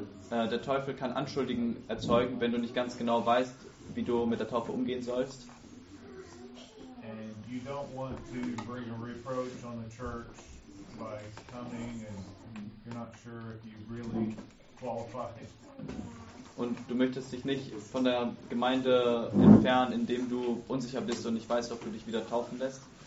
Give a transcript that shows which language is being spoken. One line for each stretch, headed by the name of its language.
German: Der Teufel kann Anschuldigungen erzeugen, wenn du nicht ganz genau weißt, wie du mit der Taufe umgehen sollst.
English: And you don't want to bring a reproach on the church by coming and you're not sure if you really qualify.
German: Und du möchtest dich nicht von der Gemeinde entfernen, indem du unsicher bist und nicht weißt, ob du dich wieder taufen lässt.